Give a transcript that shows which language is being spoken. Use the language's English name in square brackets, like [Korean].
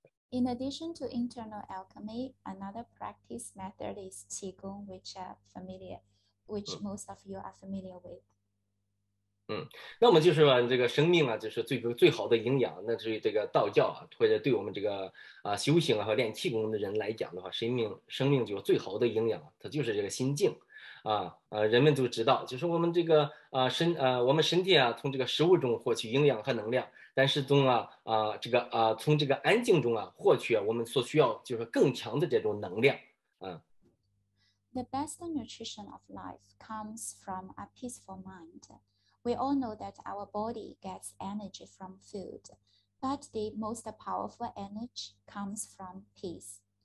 [English] In addition to internal alchemy, another practice method is qigong, which most of you are familiar with. [Chinese] 那么就是说，这个生命啊，就是最好的营养。那对于这个道教啊，或者对我们这个修行啊和练气功的人来讲的话，生命就最好的营养，它就是这个心境啊。人们都知道，就是我们这个身体啊，从这个食物中获取营养和能量。但是从这个安静中获取我们所需要就是更强的这种能量。The [English] best nutrition of life comes from a peaceful mind. We all know that our body gets energy from food, but the most powerful energy comes from peace.